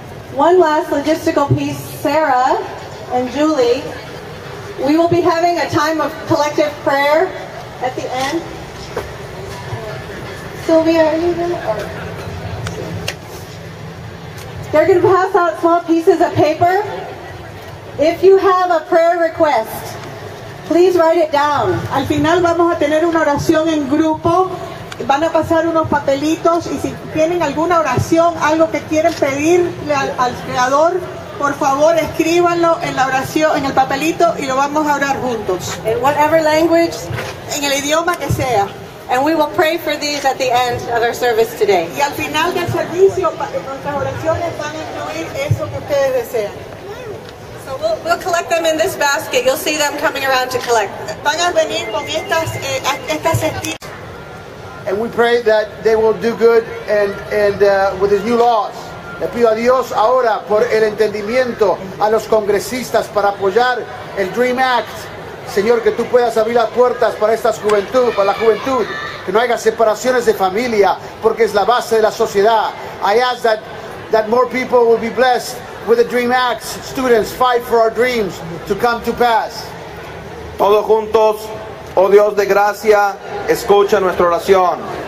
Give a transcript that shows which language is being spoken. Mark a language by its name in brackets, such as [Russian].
[English] One last logistical piece, Sarah and Julie, we will be having a time of collective prayer at the end. Sylvia, are you there? They're going to pass out small pieces of paper. If you have a prayer request, please write it down. [Spanish] Al final vamos a tener una oración en grupo. Van a pasar unos papelitos. Y si tienen alguna oración, algo que quieren pedirle al Creador, por favor, escríbanlo en la oración, en el papelito, y lo vamos a orar juntos. [English] In whatever language. [Spanish] En el idioma que sea. [English] And we will pray for these at the end of our service today. [Spanish] Y al final del servicio, nuestras oraciones van a incluir eso que ustedes desean. [English] So we'll collect them in this basket. You'll see them coming around to collect. [Spanish] Van a venir con estas cestitas. [English] and we pray that they will do good with these new laws. [Spanish] Le pido a Dios ahora por el entendimiento a los congresistas para apoyar el Dream Act. Señor, que tú puedas abrir las puertas para esta juventud, para la juventud. Que no haya separaciones de familia, porque es la base de la sociedad. [English] I ask that more people will be blessed with the Dream Act. Students, fight for our dreams to come to pass. [Spanish] Todos juntos, oh Dios de gracia, escucha nuestra oración.